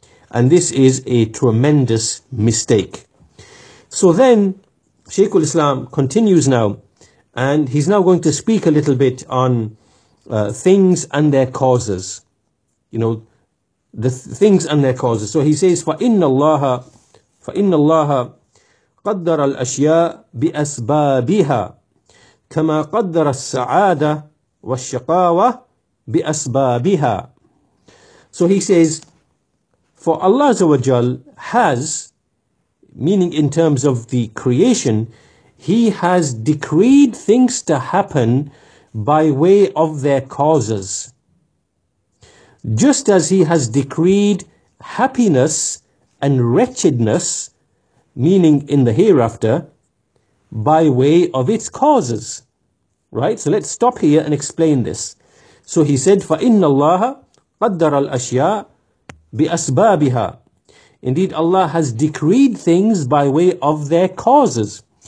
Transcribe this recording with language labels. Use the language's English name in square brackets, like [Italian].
[English] And this is a tremendous mistake. So then, Shaykh al-Islam continues now, and he's now going to speak a little bit on things and their causes. Things and their causes. So he says, [Arabic] فَإِنَّ اللَّهَ قدر الأشياء بأسبابها كما قدر السعادة والشقاوة بأسبابها. [English] So he says, for Allah Azza wa Jal has, meaning in terms of the creation, He has decreed things to happen by way of their causes. Just as he has decreed happiness and wretchedness, meaning in the hereafter, by way of its causes. Right? So let's stop here and explain this. So he said, [Arabic] فَإِنَّ اللَّهَ قَدَّرَ الْأَشْيَاءَ بِأَسْبَابِهَا. [English] Indeed, Allah has decreed things by way of their causes.